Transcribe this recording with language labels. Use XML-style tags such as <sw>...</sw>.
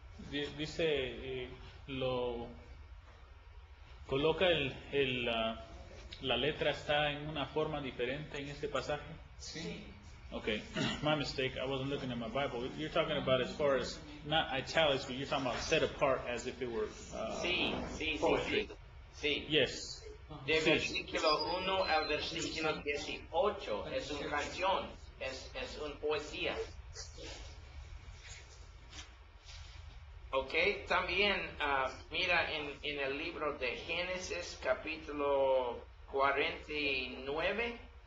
<es>Dice, lo coloca la letra está en una forma diferente en este pasaje. Sí.</es> <en>Okay, my mistake. I wasn't looking at my Bible. You're talking about as far as not italics, but you're talking about set apart as if it were poetry.</en> <es>Sí.</es> <en>Yes.</en> <es>De versículo 1 al versículo 18 es una canción, es una poesía. Okay, también mira en el libro de Génesis capítulo 49.</es>